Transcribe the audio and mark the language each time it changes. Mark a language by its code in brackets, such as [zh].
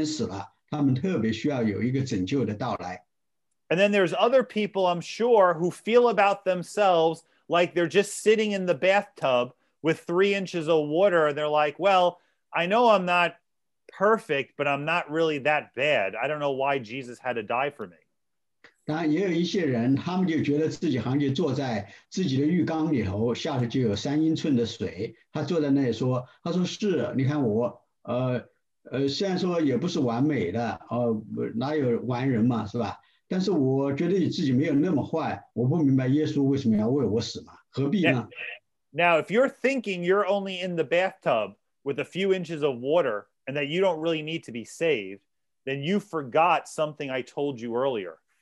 [zh] 我相信在我们中间也有一些人，他们就知道自己就好像在太平洋的中间就要被淹死了，他们特别需要有一个拯救的到来。 [en] And then there's other people, I'm sure, who feel about themselves like they're just sitting in the bathtub with 3 inches of water. They're like, well, I know I'm not perfect, but I'm not really that bad. I don't know why Jesus had to die for me. [zh] 当然也有一些人，他们就觉得自己好像就坐在自己的浴缸里头，下头就有3英寸的水。他坐在那里说，他说是，你看我，虽然说也不是完美的，哪有完人嘛，是吧？但是我觉得你自己没有那么坏，我不明白耶稣为什么要为我死嘛？何必呢？ [en] Now, if you're thinking you're only in the bathtub with a few inches of water and that you don't really need to be saved, then you forgot something I told you earlier.